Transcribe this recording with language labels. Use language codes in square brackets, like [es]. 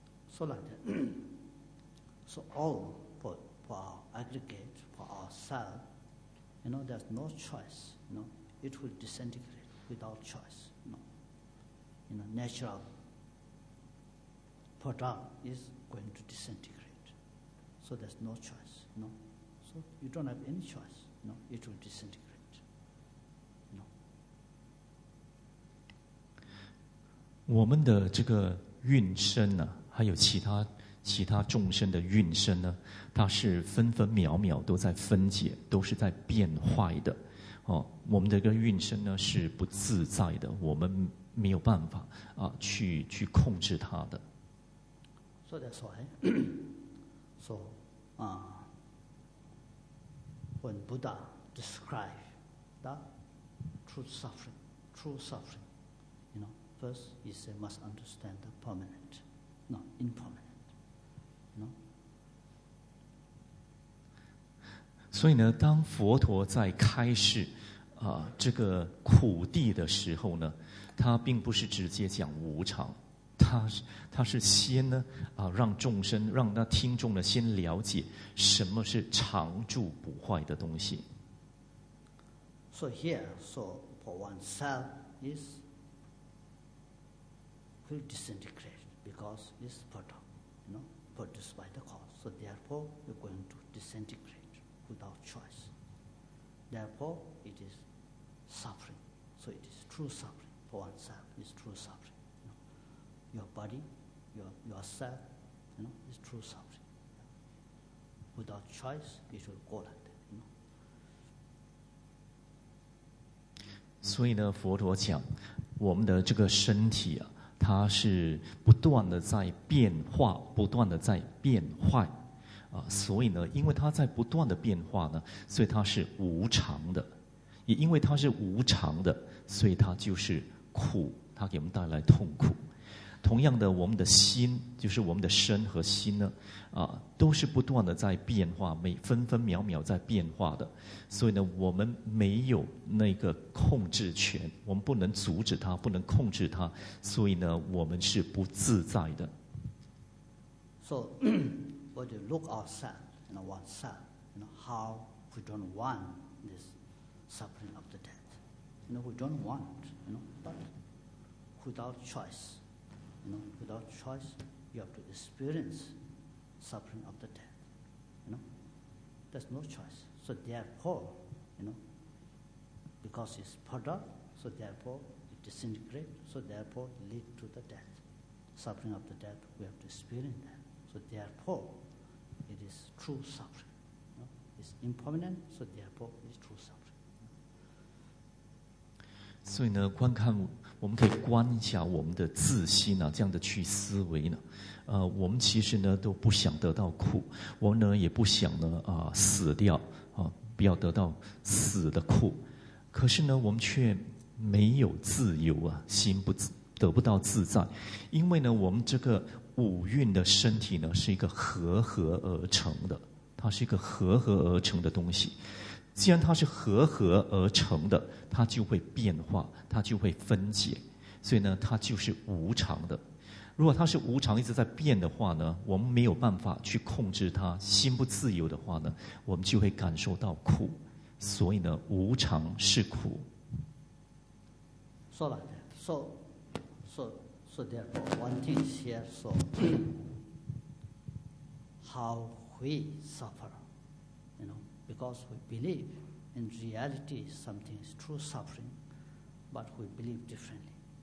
[en] So like that, so all for our aggregate, for ourselves, you know, there's no choice, you know, it will disintegrate without choice. You know, natural product is going to disintegrate. So there's no choice, you know. So you don't have any choice, you know, it will disintegrate, you know. [zh] 我们的这个运身呢，还有其他众生的运身呢，它是分分秒秒都在分解，都是在变坏的。哦，我们的这个运身呢是不自在的，我们没有办法啊，去控制它的。 [en] So that's why, so, when Buddha described the true suffering, you know, first he said must understand the permanent, not impermanent. No? [zh] 所以呢，当佛陀在开示这个苦谛的时候呢，他并不是直接讲无常，他是先呢让众生，让那听众呢先了解什么是常住不坏的东西。 [en] So here, so for oneself is will disintegrate because this photon, you know, produced by the cause. So therefore, you're going to disintegrate without choice. Therefore, it is suffering. So it is true suffering for oneself. It's true suffering. You know, your body, yourself, you know, is true suffering. Without choice, it will go like that. You know. [zh] 所以呢，佛陀讲，我们的这个身体啊。它是不断的在变化，不断的在变坏，所以呢，因为它在不断的变化呢，所以它是无常的，也因为它是无常的，所以它就是苦，它给我们带来痛苦。同样的，我们的心，就是我们的身和心呢，都是不断的在变化，每分分秒秒在变化的，所以呢，我们没有那个控制权，我们不能阻止它，不能控制它，所以呢，我们是不自在的。 [en] So, when you look outside, you know, oneself, you know, how we don't want this suffering of the death, you know, we don't want, you know, but without choice. You know, without choice, you have to experience suffering of the death. You know, there's no choice. So therefore, you know, because it's product, so therefore it disintegrates, so therefore it leads to the death. Suffering of the death, we have to experience that. So therefore, it is true suffering. You know? It's impermanent, so therefore it is true suffering. [zh] 所以呢，观看我们可以观一下我们的自心啊，这样的去思维呢，我们其实呢都不想得到苦，我们呢也不想呢死掉啊，不要得到死的苦，可是呢我们却没有自由啊，心不得不到自在，因为呢我们这个五蕴的身体呢是一个合合而成的，它是一个合合而成的东西。既然它是合合而成的，它就会变化，它就会分解，所以呢，它就是无常的。如果它是无常一直在变的话呢，我们没有办法去控制它，心不自由的话呢，我们就会感受到苦。所以呢，无常是苦。 [en] So like that. So therefore, one thing is here. So how we suffer, you know. Because we believe in reality something is true suffering, but we believe differently.